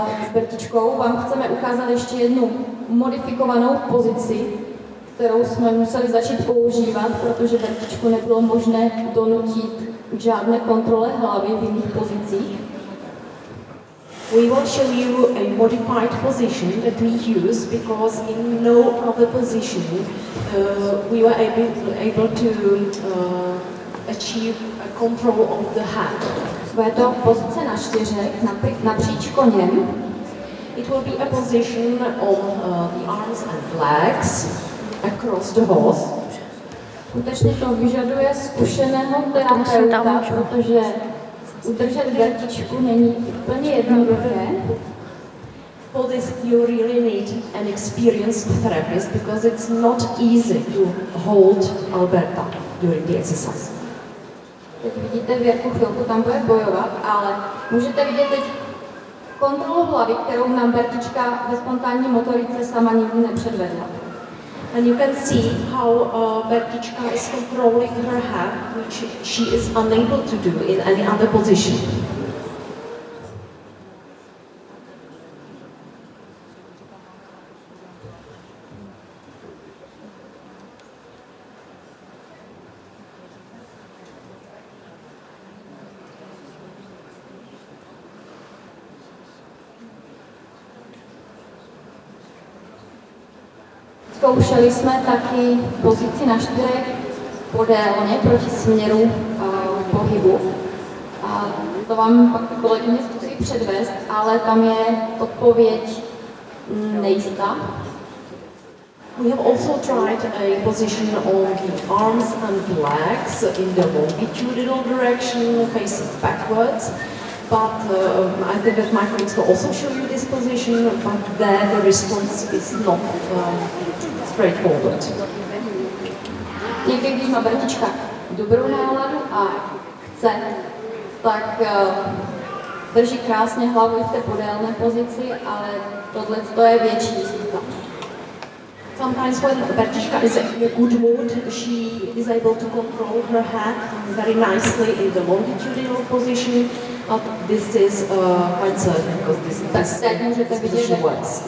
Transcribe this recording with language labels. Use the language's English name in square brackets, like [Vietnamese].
[Czech] S Bertičkou vám chceme ukázat ještě jednu modifikovanou pozici, kterou jsme museli začít používat, protože Bertičku nebylo možné donutit k žádné kontrole hlavy v jiných pozicích. [English] We will show you a modified position that we use because in no other position we were able to achieve a control of the hand. [Czech] Bude to pozice na čtyřech, napříč koněm. [English] It will be a position of the arms and legs across the horse. [Czech] Skutečně to vyžaduje zkušeného terapeuta, protože udržet vertičku není úplně jednoduché. [English] For this you really need an experienced therapist because it's not easy to hold Alberta during the exercise. [Czech] Teď vidíte Věrku chvilku, tam bude bojovat, ale můžete vidět teď kontrolu hlavy, kterou nám Bertička ve spontánní motorice sama nikdy nepředvedla. [English] And you can see how Bertička is controlling her head, which she is unable to do in any other position. [Czech] Zkoušeli jsme taky pozici na čtyřech podélně proti směru pohybu. A to vám pak kolegyně zkusí předvést, ale tam je odpověď nejistá. [English] We have also tried a position on the arms and legs in the longitudinal direction, facing backwards. But I think that my colleagues will also show you this position, but there the response is not straightforward. [Czech] Někdy, když má brtička dobrou náladu a chce, tak drží krásně hlavu v té podélné pozici, ale tohle to je větší zkuta. [English] Sometimes when Bertiška is in a good mood, she is able to control her head very nicely in the longitudinal position, but this is quite certain because this is the best position works.